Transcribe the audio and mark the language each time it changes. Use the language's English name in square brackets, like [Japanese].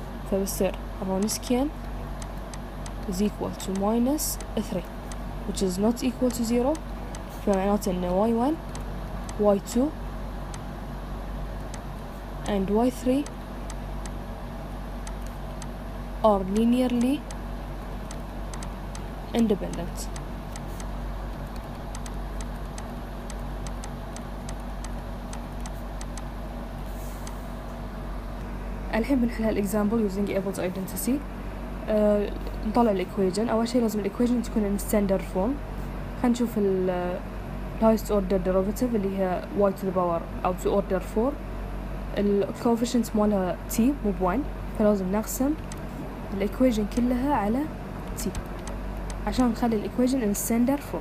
[Arabic] فبصير الرونس كان [English] is equal to minus 3 which is not equal to 0، [Arabic] فمعناته ان [English] y1 y2 and y3 are linearly independent. [Arabic] الحين بنحل هالexample [English] using Abel's identity. [Arabic] نطلع الequation. أول شيء لازم الequation تكون [English] in standard form. [Arabic] هنشوف ال highest order derivative اللي هي y to the power أو to order 4، ال coefficients مالها t مو ب 1، فلازم نقسم ال equation كلها على t عشان نخلي ال equation in standard